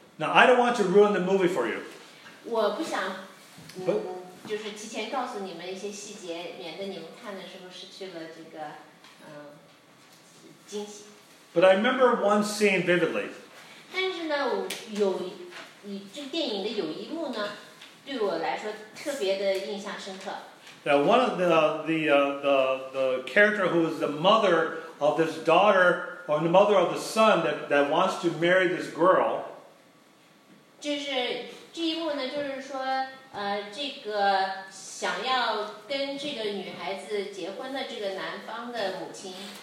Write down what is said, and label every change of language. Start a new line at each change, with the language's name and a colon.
English: Now, I don't want to ruin the movie for you.
Chinese: 我不想，就是提前告诉你们一些细节，免得你们看的时候失去了这个，惊喜。
English: But I remember one scene vividly.
Chinese: 但是呢，有，这电影的有一幕呢，对我来说特别的印象深刻。
English: Now, one of the character who is the mother of this daughter, or the mother of the son that wants to marry this girl.
Chinese: 就是这一幕呢，就是说，这个想要跟这个女孩子结婚的这个男方的母亲。